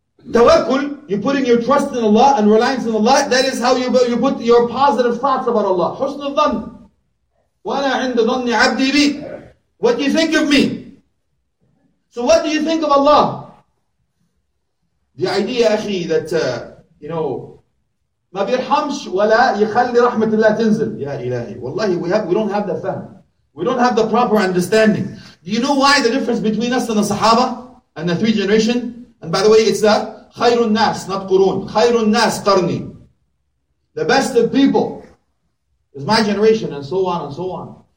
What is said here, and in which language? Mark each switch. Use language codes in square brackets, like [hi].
[en] Tawakkul, you're putting your trust in Allah and reliance in Allah, that is how you put your positive thoughts about Allah. [ar] حُسْنُ الظَّنِّ. وَأَنَا عِنْدَ ظَنِّ عَبْدِي بِي. [en] What do you think of me? So what do you think of Allah? The idea, akhi, that, you know, [ar] مَا بِرْحَمْشْ وَلَا يَخَلِّ رَحْمَةِ اللَّهِ تَنْزِلْ. Ya ilahi. [en] Wallahi, we don't have the fahm. We don't have the proper understanding. Do you know why the difference between us and the Sahaba and the three generation? And by the way, it's the خَيْرُ النَّاسِ, not قُرُون. [ar] خَيْرُ النَّاسِ قَرْنِي. [en] The best of people is my generation, and so on and so on.